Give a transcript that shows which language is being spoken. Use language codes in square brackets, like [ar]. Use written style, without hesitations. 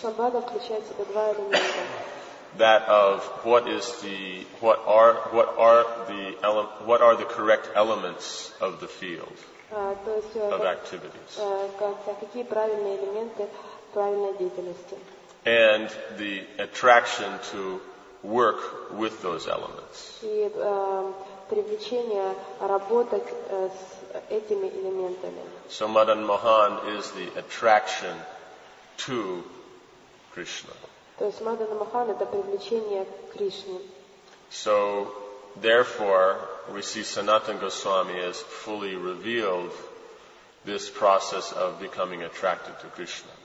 [ru] Sambandha включает в себя два элемента. [en] That of what are the correct elements of the field of activities. [ru] Какие правильные элементы правильной деятельности. [en] And the attraction to work with those elements. [ru] И привлечение работать с этими элементами. [en] So Madan Mohan is the attraction to Krishna. [ru] То есть Мадана Мохан это привлечение к Кришне. [en] So therefore we see Sanatana Goswami as fully revealed this process of becoming attracted to Krishna.